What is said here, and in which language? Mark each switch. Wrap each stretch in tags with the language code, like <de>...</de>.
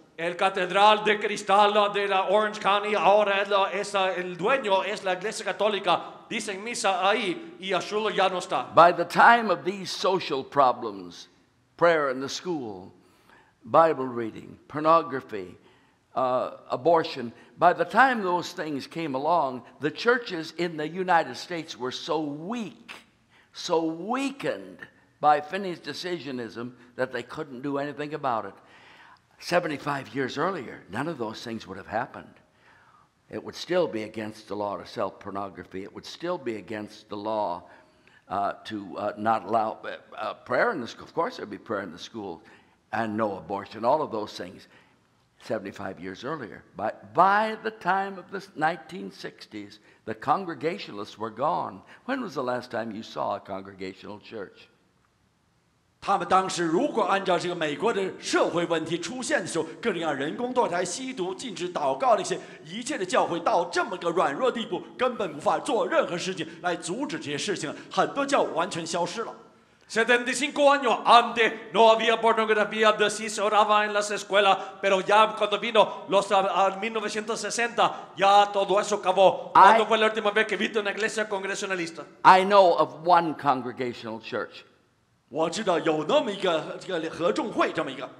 <es>El Catedral de Cristal de la Orange County ahora es el dueño es la Iglesia Católica. Dicen misa ahí y a Schuller ya no está.</es> <en>By the time of these social problems, prayer in the school, Bible reading, pornography, abortion. By the time those things came along, the churches in the United States were so weak, so weakened by Finney's decisionism that they couldn't do anything about it. 75 years earlier, none of those things would have happened. It would still be against the law to sell pornography. It would still be against the law to not allow prayer in the school. Of course, there'd be prayer in the school and no abortion, all of those things, 75 years earlier. But by the time of the 1960s, the Congregationalists were gone. When was the last time you saw a Congregational church?</en> <zh>他们当时如果按照这个美国的社会问题出现的时候，各种各样人工堕胎、吸毒、禁止祷告那些，一切的教会到这么个软弱地步，根本无法做任何事情来阻止这些事情，很多教会完全消失了。</zh> <es>75 años antes no había pornografía de sí se oraba en las escuelas, pero ya cuando vino los 1960 ya todo eso acabó. ¿Cuándo fue la última vez que viste una iglesia congregacionalista?</es> <en>I know of one congregational church.</en> <zh>我知道有那么一个合众会这么一个.</zh>